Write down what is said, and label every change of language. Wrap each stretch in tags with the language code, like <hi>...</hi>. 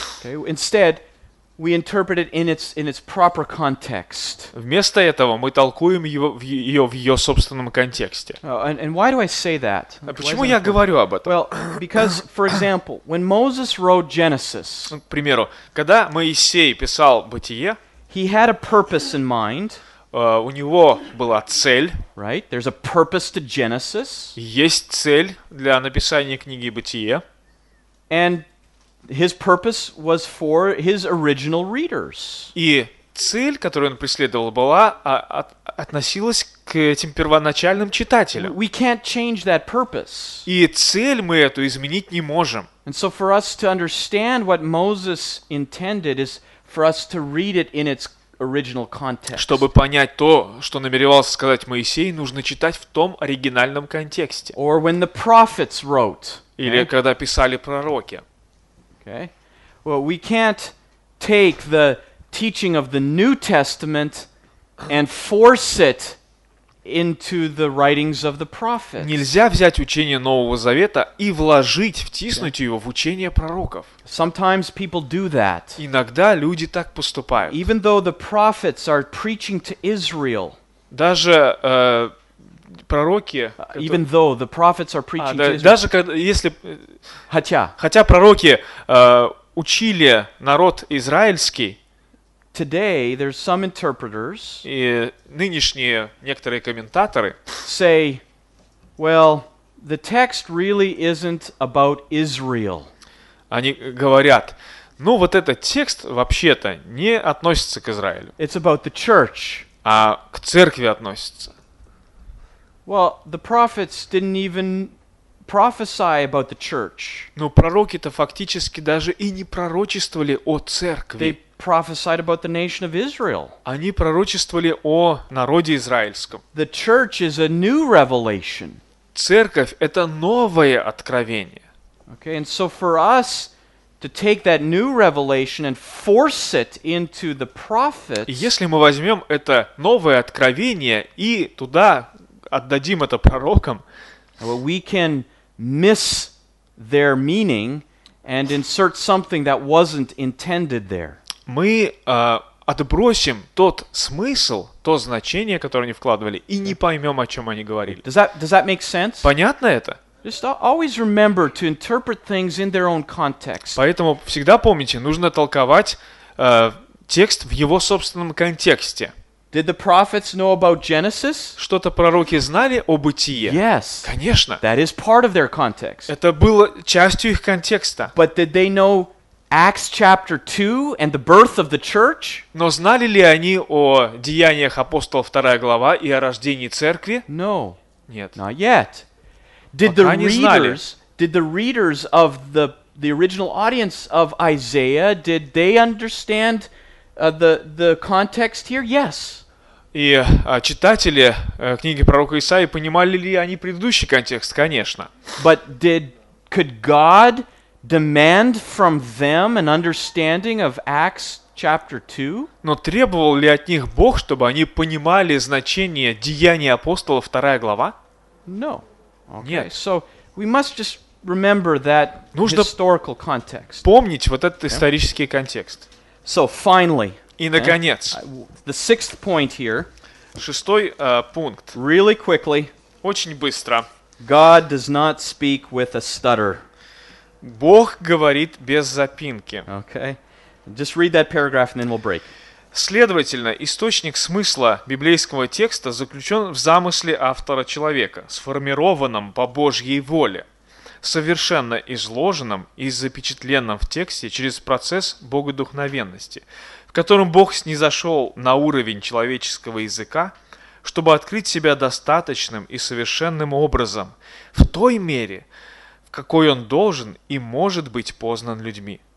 <en>Okay. Instead, we interpret it in its proper context.</en> <ru>Вместо этого мы толкуем ее в ее собственном контексте.</ru> <en>And why do I say that?</en> <ru>Почему я говорю об этом?</ru> <en>Well, because, for example, when Moses wrote Genesis,</en> <ru>к примеру, когда Моисей писал Бытие,</ru> <en>he had a purpose in mind.</en> <ru>У него была цель.</ru> <en>Right? There's a purpose to Genesis.</en> <ru>Есть цель для написания книги Бытие.</ru> <en>And his purpose was for his original readers.</en> <ru>И цель, которую он преследовал, была относилась к этим первоначальным читателям.</ru> <en>We can't change that purpose.</en> <ru>И цель мы эту изменить не можем.</ru> <en>And so for us to understand what Moses intended is for us to read it in its original context.</en> <ru>Чтобы понять то, что намеревался сказать Моисей, нужно читать в том оригинальном контексте.</ru> <en>Or when the prophets wrote.</en> <ru>Или когда писали пророки.</ru> <en>Okay. Well, we can't take the teaching of the New Testament and force it into the writings of the prophets.</en> <ru>Нельзя взять учение Нового Завета и вложить, втиснуть его в учение пророков.</ru> <en>Sometimes people do that.</en> <ru>Иногда люди так поступают.</ru> <en>Even though the prophets are preaching to Israel.</en> <ru>Даже пророки,</ru> <en>even though the prophets are preaching to Israel,</en> <ru>даже когда, если хотя пророки учили народ израильский,</ru> <en>today there's some interpreters,</en> <ru>и нынешние некоторые комментаторы</ru> <en>say, well, the text really isn't about Israel.</en> <ru>Они говорят, ну вот этот текст вообще-то не относится к Израилю.</ru> <en>It's about the church.</en> <ru>А к церкви относится.</ru> <en>Well, the prophets didn't even prophesy about the church.</en> <ru>Но пророки-то фактически даже и не пророчествовали о церкви.</ru> <en>They prophesied about the nation of Israel.</en> <ru>Они пророчествовали о народе израильском.</ru> <en>The church is a new revelation.</en> <ru>Церковь — это новое откровение.</ru> <en>Okay, and so for us to take that new revelation and force it into the prophets.</en> <ru>Если мы возьмем это новое откровение и туда отдадим это пророкам,</ru> <en>well, we can miss their meaning and insert something that wasn't intended there.</en> <ru>Мы отбросим тот смысл, то значение, которое они вкладывали, и не поймем, о чем они говорили.</ru> <en>Does that make sense?</en> <ru>Понятно это?</ru> <en>Just always remember to interpret things in their own context.</en> <ru>Поэтому всегда помните, нужно толковать текст в его собственном контексте.</ru> <en>Did the prophets know about Genesis?</en> <ru>Что-то пророки знали о Бытие?</ru> <en>Yes.</en> <ru>Конечно.</ru> <en>That is part of their context.</en> <ru>Это было частью их контекста.</ru> <en>But did they know Acts chapter 2 and the birth of the church?</en> <ru>Но знали ли они о Деяниях апостолов 2 глава и о рождении церкви?</ru> <en>No.</en> <ru>Нет.</ru> <en>Not yet. Did the readers, of the original audience of Isaiah, did they understand the context here? Yes.</en> <ru>И читатели книги пророка Исаии понимали ли они предыдущий контекст? Конечно.</ru> <en>But could God demand from them an understanding of Acts chapter 2?</en> <ru>Но требовал ли от них Бог, чтобы они понимали значение Деяний апостолов, вторая глава?</ru> <en>No.</en> <ru>Okay. Нет.</ru> <en>So we must just remember that historical context.</en> <ru>Помнить вот этот исторический контекст.</ru> <en>So finally.</en> <ru>И наконец.</ru> <en>The sixth point here.</en> <ru>Шестой пункт.</ru> <en>Really quickly.</en> <ru>Очень быстро.</ru> <en>God does not speak with a stutter.</en> <ru>Бог говорит без запинки.</ru> <en>Okay. Just read that paragraph and then we'll break.</en> <ru>Следовательно, источник смысла библейского текста заключен в замысле автора человека, сформированном по Божьей воле, совершенно изложенном и запечатленном в тексте через процесс богодухновенности, в котором Бог снизошел на уровень человеческого языка, чтобы открыть себя достаточным и совершенным образом, в той мере, в какой он должен и может быть познан людьми.</ru>